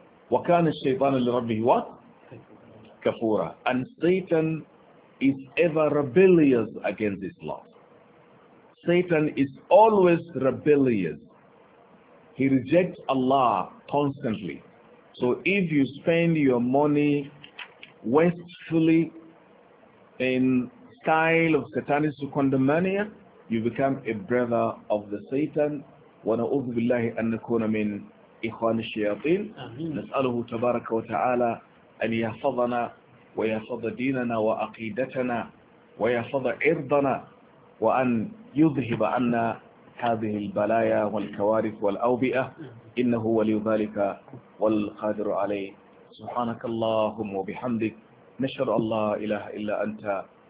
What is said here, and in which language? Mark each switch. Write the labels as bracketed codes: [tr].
[ar] وَكَانَ الشَّيْطَانُ لِرَبِّهِ [en] what? [ar] كَفُورًا. [en] And Satan is ever rebellious against his law. Satan is always rebellious. He rejects Allah constantly. So if you spend your money wastefully in style of satanic sukundamania, you become a brother of the Satan. [ar] Wa na'udhu billahi an nakuna min ikhwan ash-shayatin. Nas'aluhu tabaraka wa ta'ala an yahfazana ويحفظ ديننا وعقيدتنا ويحفظ عرضنا وأن يذهب عنا هذه البلايا والكوارث والأوبئة إنه ولي ذلك والقادر عليه سبحانك اللهم وبحمدك نشهد أن لا إله إلا أنت